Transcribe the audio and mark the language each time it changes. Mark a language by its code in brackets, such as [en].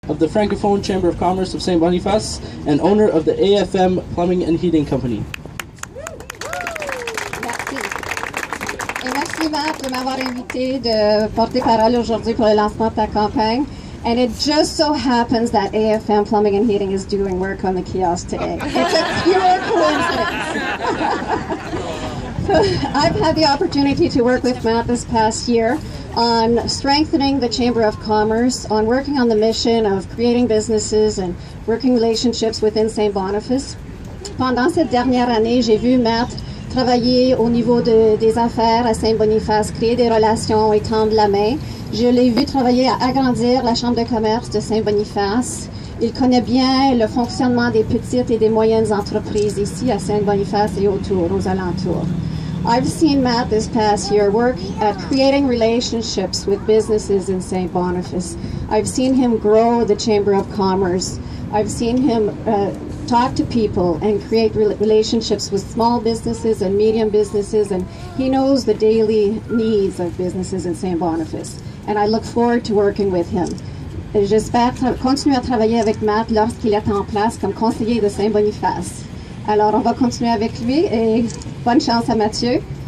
[en] of the Francophone Chamber of Commerce of St. Boniface and owner of the AFM Plumbing and Heating Company. [fr] Merci Matt de m'avoir invité de porter parole aujourd'hui pour le lancement de ta campagne. [en] And it just so happens that AFM Plumbing and Heating is doing work on the kiosk today. It's a pure coincidence. I've had the opportunity to work with Matt this past year on strengthening the Chamber of Commerce, on working on the mission of creating businesses and working relationships within St. Boniface. [fr] Pendant cette dernière année, j'ai vu Matt travailler au niveau des affaires à Saint-Boniface, créer des relations et tendre la main. Je l'ai vu travailler à agrandir la Chambre de commerce de Saint-Boniface. Il connaît bien le fonctionnement des petites et des moyennes entreprises ici à Saint-Boniface et autour, aux alentours. [en] I've seen Matt this past year work at creating relationships with businesses in St. Boniface. I've seen him grow the Chamber of Commerce. I've seen him talk to people and create relationships with small businesses and medium businesses, and he knows the daily needs of businesses in St. Boniface. And I look forward to working with him. [fr] J'espère continuer à travailler avec Matt lorsqu'il est en place comme conseiller de Saint-Boniface. Alors, on va continuer avec lui et bonne chance à Mathieu.